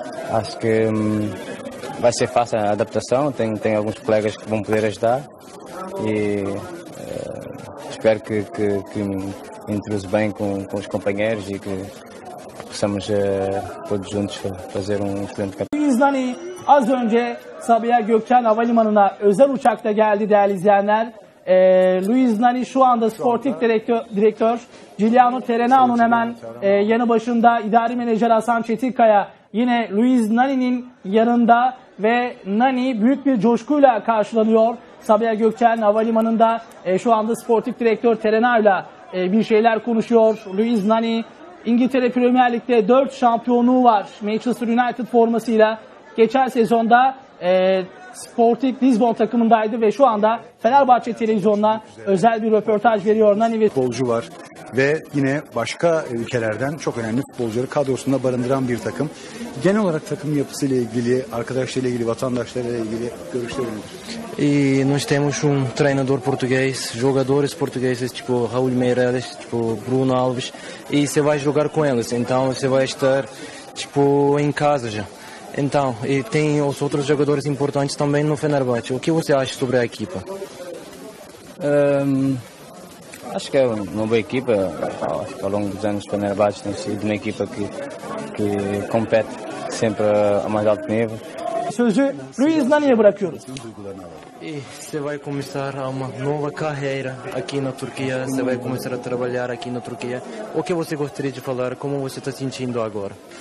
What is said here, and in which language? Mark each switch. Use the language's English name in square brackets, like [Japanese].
[Portuguese] Acho que vai ser fácil a adaptação, tenho alguns colegas que vão poder ajudar e espero que me introduza bem com os companheiros e que possamos todos juntos fazer um excelente campeonato. [Turkish] Az önce Sabiha Gökçen Havalimanı'na özel uçakta geldi değerli izleyenler. Luis Nani şu anda sportif direktör Giuliano Terenano'nun hemen yanı başında idari menajer Hasan Çetinkaya yine Luis Nani'nin yanında ve Nani büyük bir coşkuyla karşılanıyor. Sabiha Gökçen havalimanında şu anda sportif direktör Terenay'la bir şeyler konuşuyor. Luis Nani, İngiltere Premier Lig'de 4 şampiyonluğu var Manchester United formasıyla. Geçen sezonda Sporting Lisbon takımındaydı ve şu anda Fenerbahçe Televizyonu'na özel bir röportaj veriyor. Nani ve futbolcu var ve yine başka ülkelerden çok önemli futbolcuları kadrosunda barındıran bir takım. Genel olarak takım yapısıyla ilgili, arkadaşlarıyla ilgili, vatandaşlarıyla ilgili görüşleri nedir? [Portuguese] Nós temos treinador português, jogadores portugueses, tipo Raul Meireles, tipo Bruno Alves, e você vai jogar com eles, então você vai estar tipo em casa já. Então, e tem os outros jogadores importantes também no Fenerbahçe. O que você acha sobre a equipa? Acho que é uma boa equipa. Acho que ao longo dos anos o Fenerbahçe tem sido uma equipa que compete sempre a mais alto nível. [Turkish] Sözü Luis Nani'ye bırakıyoruz. [Portuguese] Você vai começar uma nova carreira aqui na Turquia. Você vai começar a trabalhar aqui na Turquia. O que você gostaria de falar? Como você está sentindo agora?